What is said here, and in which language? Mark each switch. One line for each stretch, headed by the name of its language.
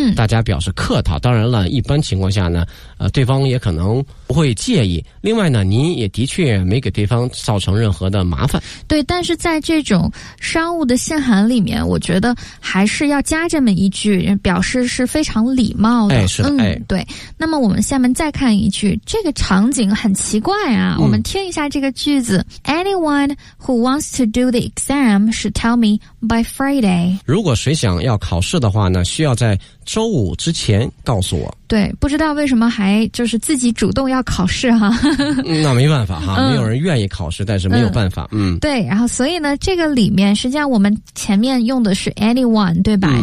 Chinese: 大家表示客套，当然了一般情况下呢对方也可能不会介意，另外呢您也的确没给对方造成任何的麻烦。对，但是在这种商务的信函里面，我觉得还是要加这么一句，表示是非常礼貌的。是的。对。那么我们下面再看一句，这个场景很奇怪啊。我们听一下这个句子。
English: Anyone who wants to do the exam should tell me by Friday。
Chinese: 如果谁想要考试的话呢，需要在周五之前告诉我。对，不知道为什么还就是自己主动要考试哈。那没办法哈，没有人愿意考试，但是没有办法。对，然后所以呢这个里面实际上我们前面用的是 anyone， 对吧？